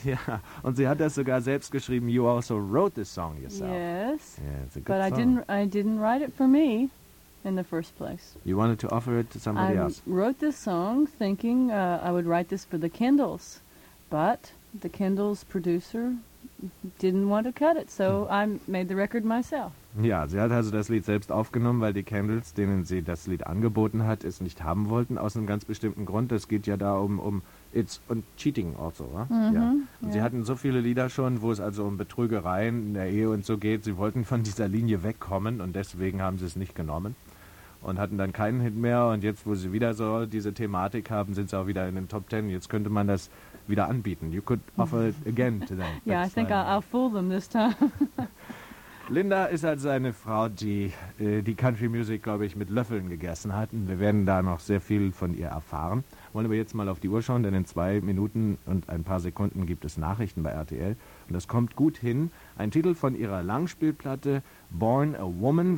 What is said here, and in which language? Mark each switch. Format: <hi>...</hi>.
<de>Yeah, und sie hat das sogar selbst geschrieben.</de> <en>You also wrote this song yourself. Yes. Yeah, it's a good but song. But I didn't write it for me in the first place. You wanted to offer it to somebody I else. I wrote this song thinking I would write this for the Kindles, but the Kindles producer didn't want to cut it, so I made the record myself.</en> <de>Ja, sie hat also das Lied selbst aufgenommen, weil die Kindles, denen sie das Lied angeboten hat, es nicht haben wollten, aus einem ganz bestimmten Grund. Es geht ja da um It's und Cheating also, oder? Mm-hmm, ja. Und sie hatten so viele Lieder schon, wo es also um Betrügereien in der Ehe und so geht. Sie wollten von dieser Linie wegkommen und deswegen haben sie es nicht genommen. und hatten dann keinen Hit mehr. Und jetzt, wo sie wieder so diese Thematik haben, sind sie auch wieder in den Top Ten. Jetzt könnte man das wieder anbieten.</de> <en>You could offer it again to them. Yeah, I think I'll fool them this time.</en> <de>Linda ist also eine Frau, die die Country Music, glaube ich, mit Löffeln gegessen hat. Und wir werden da noch sehr viel von ihr erfahren. Wollen wir jetzt mal auf die Uhr schauen, denn in 2 Minuten und ein paar Sekunden gibt es Nachrichten bei RTL. Und das kommt gut hin. Ein Titel von ihrer Langspielplatte, Born a Woman.</de>